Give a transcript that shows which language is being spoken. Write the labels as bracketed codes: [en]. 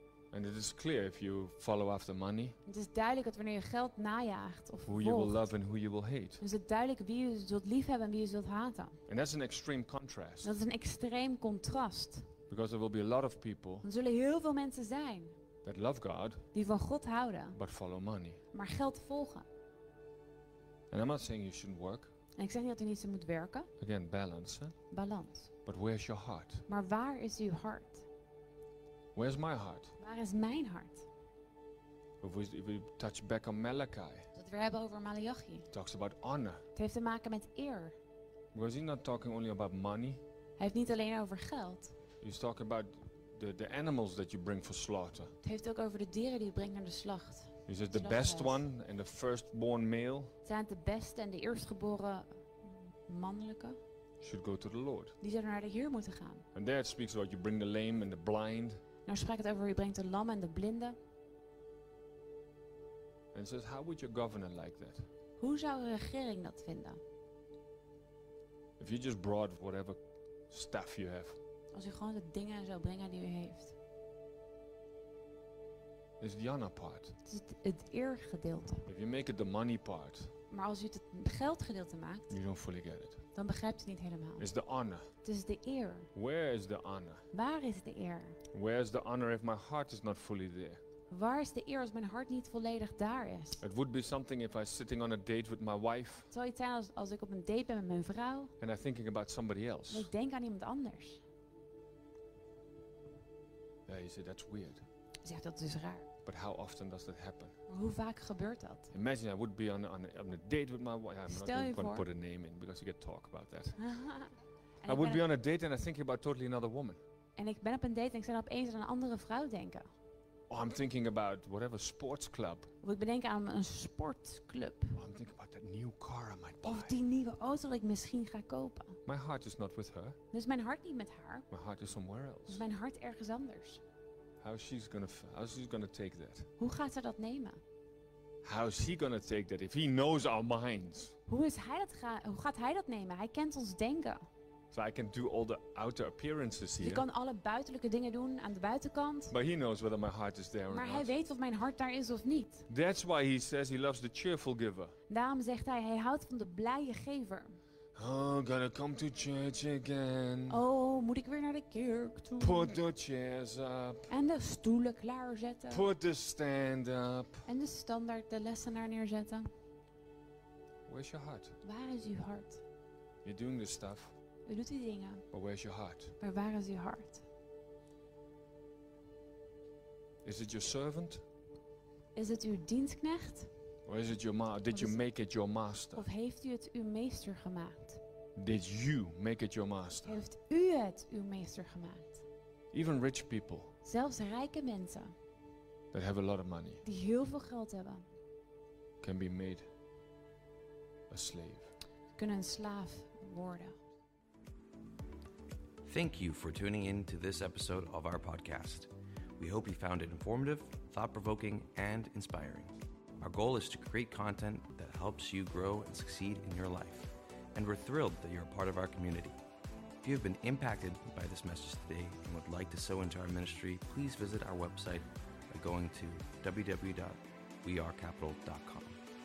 [en] And it is clear if you follow after money. [nl] Het is duidelijk dat wanneer je geld najaagt of volgt. [en] Who you will love and who you will hate. [nl] Is het duidelijk wie je zult lief hebben en wie je zult haten. [en] And that's an extreme contrast. [nl] Dat is een extreem contrast. [en] Because there will be a lot of people. [nl] Er zullen heel veel mensen zijn. [en] That love God. [nl] Die van God houden. [en] But follow money. [nl] Maar geld volgen. [en] And I'm not saying you shouldn't work. [nl] En ik zeg niet dat u niet zo moet werken. [en] Again, balance. [nl] Balans. [en] But where's your heart? [nl] Maar waar is uw hart? [en] Where's my heart? [nl] Waar is mijn hart? [en] If we touch back on Malachi. [nl] Dat we hebben over Malachi. [en] Talks about honor. [nl] Het heeft te maken met eer. [en] Was he not talking only about money? [nl] Hij heeft niet alleen over geld. [en] He's talking about the animals that you bring for slaughter. [nl] Het heeft ook over de dieren die je brengt naar de slacht. [en] Is it the best one and the firstborn male? [nl] Zijn het de beste en de eerstgeboren mannelijke? [en] Should go to the Lord. [nl] Die zouden naar de Heer moeten gaan. [en] And there it speaks about you bring the lame and the blind. [nl] Nou spreekt het over je brengt de lam en de blinden. [en] And it says, how would your governor like that? [nl] Hoe zou een regering dat vinden? [en] If you just brought whatever stuff you have. [nl] Als u gewoon de dingen zou brengen die u heeft. [en] Is the honor part. [nl] Het is het eergedeelte. [en] If you make it the money part. [nl] Maar als u het geldgedeelte maakt. [en] You don't fully get it. [nl] Dan begrijpt u het niet helemaal. [en] Is the honor. [nl] Het is de eer. [en] Where is the honor? [nl] Waar is de eer? [en] Where is the honor if my heart is not fully there? [nl] Waar is de eer als mijn hart niet volledig daar is? [en] It would be something if I was sitting on a date with my wife. [nl] Het zou iets zijn als ik op een date ben met mijn vrouw. [en] And I'm thinking about somebody else. [nl] En ik denk aan iemand anders. [en] Yeah, you say that's weird. [nl] Ja, dat is raar. [en] But how often does that happen? [nl] Hoe vaak gebeurt dat? [en] Imagine I would be on a date with my wife. I'm not even going to put a name in because you get talk about that. I would be on a date and I think about totally another woman. [nl] En ik ben op een date en ik zou opeens aan een andere vrouw denken. [en] Oh, I'm thinking about whatever sports club. [nl] Of ik bedenk aan een sportclub. [en] Oh, I'm thinking about that new car I might buy. [nl] Of die nieuwe auto die ik misschien ga kopen. [en] My heart is not with her. [nl] Dus mijn hart niet met haar. [en] My heart is somewhere else. [nl] Mijn hart ergens anders. [en] How's she gonna take that? [nl] Hoe gaat ze dat nemen? [en] How's he gonna take that if he knows our minds? [nl] Hoe gaat hij dat nemen? Hij kent ons denken. [en] So I can do all the outer appearances here. [nl] Je kan alle buitenlijke dingen doen aan de buitenkant. [en] But he knows whether my heart is there or not. [nl] Maar hij weet of mijn hart daar is of niet. [en] That's why he says he loves the cheerful giver. [nl] Daarom zegt hij houdt van de blije gever. [en] Oh, gotta come to church again. [nl] Oh, moet ik weer naar de kerk toe? [en] Put the chairs up. [nl] En de stoelen klaarzetten. [en] Put the stand up. [nl] En de standaard, de lessenaar neerzetten. [en] Where's your heart? [nl] Waar is uw hart? [en] You're doing this stuff. [nl] U doet die dingen. [en] But where's your heart? [nl] Maar waar is uw hart? [en] Is it your servant? [nl] Is het uw dienstknecht? [en] Or is it your did you make it your master? [nl] Of heeft u het uw meester gemaakt? [en] Did you make it your master? [nl] Heeft u het uw meester gemaakt? [en] Even rich people. [nl] Zelfs rijke mensen. [en] That have a lot of money. [nl] Die heel veel geld hebben. [en] Can be made a slave. [nl] Kunnen een slaaf worden. [en] Thank you for tuning in to this episode of our podcast. We hope you found it informative, thought-provoking, and inspiring. Our goal is to create content that helps you grow and succeed in your life. And we're thrilled that you're a part of our community. If you have been impacted by this message today and would like to sow into our ministry, please visit our website by going to www.wearecapital.com.